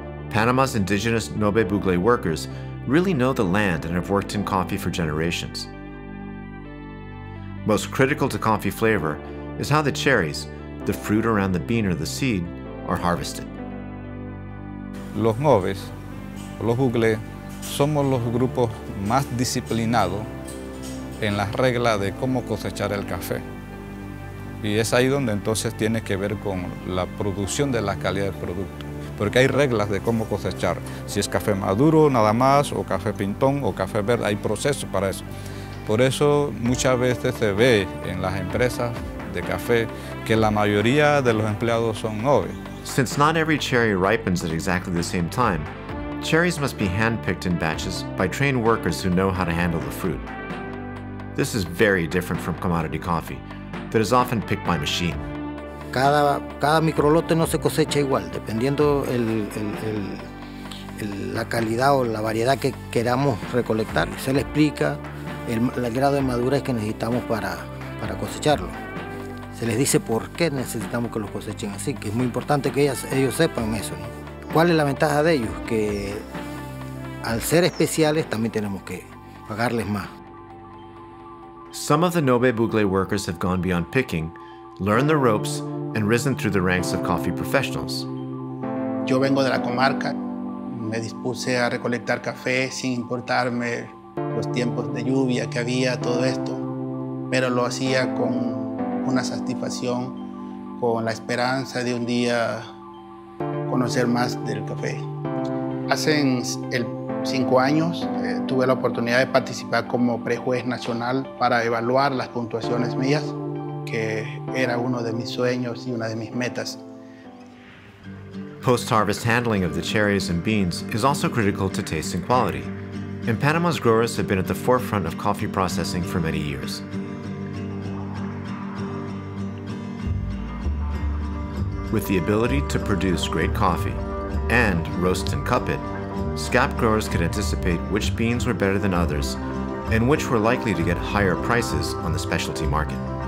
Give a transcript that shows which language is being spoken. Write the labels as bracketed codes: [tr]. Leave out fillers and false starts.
[en] Panama's indigenous Nobe Bugle workers really know the land and have worked in coffee for generations. Most critical to coffee flavor is how the cherries, the fruit around the bean or the seed, are harvested. [es] Los Nobes, los Bugle, somos los grupos más disciplinados en las reglas de cómo cosechar el café. Y es ahí donde entonces tiene que ver con la producción de la calidad del producto. Porque hay reglas de cómo cosechar. Si es café maduro nada más, o café pintón, o café verde, hay procesos para eso. Por eso muchas veces se ve en las empresas de café que la mayoría de los empleados son nobles. [en] Since not every cherry ripens at exactly the same time, cherries must be hand-picked in batches by trained workers who know how to handle the fruit. This is very different from commodity coffee that is often picked by machine. [es] Cada microlote no se cosecha igual, dependiendo la calidad o la variedad que queramos recolectar. Se le explica el grado de madurez que necesitamos para cosecharlo. Se les dice por qué necesitamos que los cosechen así, que es muy importante que ellos sepan eso, ¿no? ¿Cuál es la ventaja de ellos? Que al ser especiales también tenemos que pagarles más. [en] Some of the Nobe Bugle workers have gone beyond picking, learned the ropes, and risen through the ranks of coffee professionals. [es] Yo vengo de la comarca. Me dispuse a recolectar café sin importarme los tiempos de lluvia que había, todo esto. Pero lo hacía con una satisfacción, con la esperanza de un día conocer más del café. Hace 5 años tuve la oportunidad de participar como prejuez nacional para evaluar las puntuaciones mías, que era uno de mis sueños y una de mis metas. [en] Post-harvest handling of the cherries and beans is also critical to taste and quality, and Panama's growers have been at the forefront of coffee processing for many years. With the ability to produce great coffee and roast and cup it, scab growers could anticipate which beans were better than others and which were likely to get higher prices on the specialty market.